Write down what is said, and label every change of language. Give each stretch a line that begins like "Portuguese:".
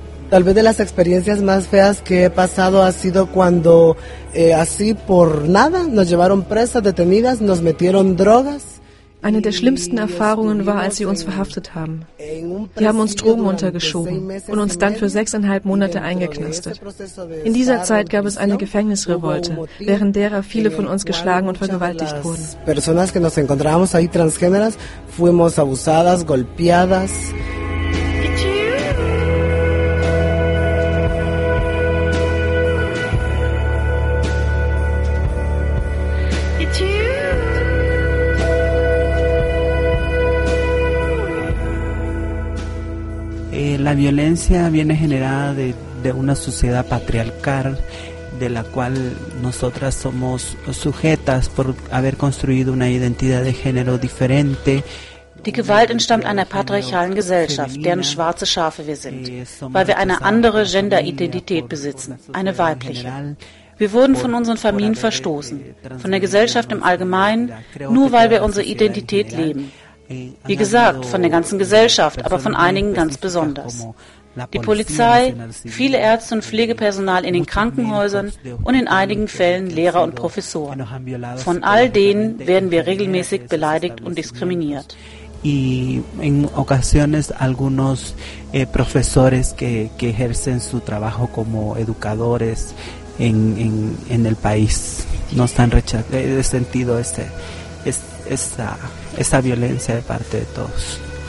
Spanish: Tal vez de las experiencias más feas que he pasado ha sido cuando así por nada nos llevaron presas, detenidas, nos metieron drogas.
German: Eine der schlimmsten Erfahrungen war, als sie uns verhaftet haben. Die haben uns Drogen untergeschoben und uns dann für 6,5 Monate eingeknastet. In dieser Zeit gab es eine Gefängnisrevolte, während derer viele von uns geschlagen und vergewaltigt wurden.
Spanish: Personas que nos encontrábamos ahí transgéneras fuimos abusadas, golpeadas. La violencia viene generada de una sociedad patriarcal de la cual nosotras somos sujetas por haber construido una identidad de género diferente.
German: Die Gewalt entstammt einer patriarchalen Gesellschaft, deren schwarze Schafe wir sind, weil wir eine andere Gender-Identität besitzen, eine weibliche. Wir wurden von unseren Familien verstoßen, von der Gesellschaft im Allgemeinen, nur weil wir unsere Identität leben. Wie gesagt, von der ganzen Gesellschaft, aber von einigen ganz besonders. Die Polizei, viele Ärzte und Pflegepersonal in den Krankenhäusern und in einigen Fällen Lehrer und Professoren. Von all denen werden wir regelmäßig beleidigt und diskriminiert.
Spanish: Y en ocasiones algunos profesores que ejercen su trabajo como educadores en el país nos han rechazado, he sentido esa violencia de parte de todos.